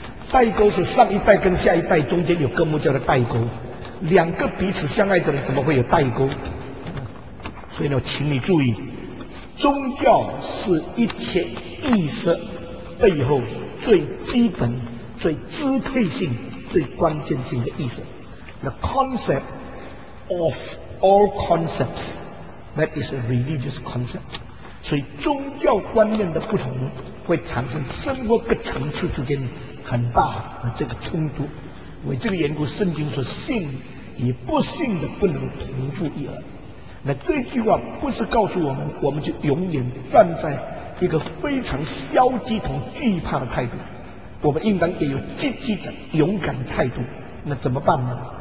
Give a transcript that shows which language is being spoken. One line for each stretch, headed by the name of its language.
Chinese: 代沟是上一代跟下一代中间有个目叫的代沟，两个彼此相爱的人怎么会有代沟？所以呢，请你注意，宗教是一切意识背后最基本、最支配性、最关键性的意识。
English: The concept of all concepts, that is a religious concept.
Chinese: 所以宗教观念的不同会产生生活各层次之间很大的这个冲突。为这个缘故，圣经说信与不信的不能同父一儿。那这句话不是告诉我们，我们就永远站在一个非常消极同惧怕的态度，我们应当也有积极的勇敢的态度。那怎么办呢？